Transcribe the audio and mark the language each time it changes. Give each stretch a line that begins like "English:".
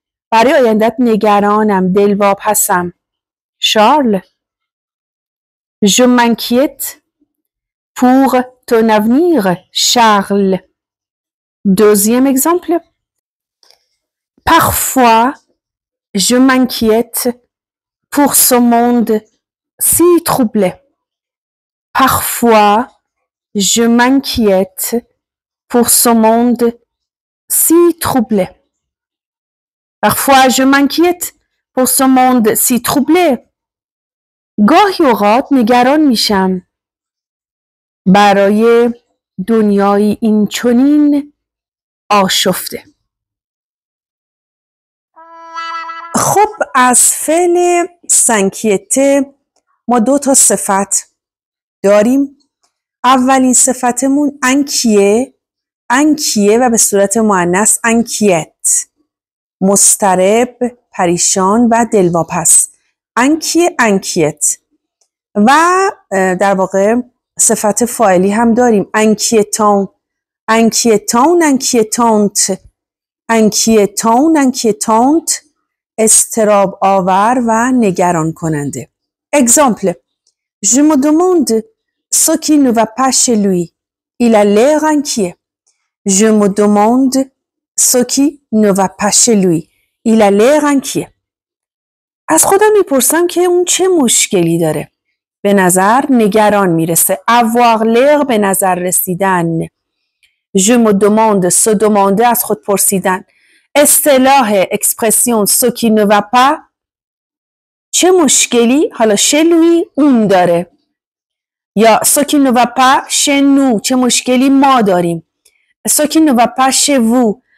Persian: برای آیندت نگرانم، دلواپسم، شارل.
French: Je m'inquiète pour ton avenir, Charles. Deuxième exemple. Parfois, je m'inquiète pour ce monde si troublé. Parfois, je m'inquiète pour ce monde si troublé. Parfois, je m'inquiète pour ce monde si troublé. گاهی اوقات نگران میشم برای دنیای این چنین آشفته.
Persian: خب، از فعل سنکیته ما دو تا صفت داریم. اولین صفتمون انکیه و به صورت مؤنث انکیت، مضطرب، پریشان و دلواپس. انکیت. و در واقع صفت فاعلی هم داریم، انکیتانت، استراب آور و نگران کننده.
French: اگزامپل: Je me demande ce qui ne va pas chez lui. Il a l'air inquiet. Je me demande ce qui ne va pas chez lui. Il a l'air inquiet.
Persian: از خودم میپرسم که اون چه مشکلی داره. به نظر نگران میرسه.
French: Avoir l'air،
Persian: به نظر رسیدن.
French: Je me demande،
Persian: سو دمانده، از خود پرسیدن. اصطلاح اکسپرسیون
French: ce qui ne va pas،
Persian: چه مشکلی حالا شلوی اون داره، یا سوکینو و پا شنو، چه مشکلی ما داریم. سوکینو و پا شوو،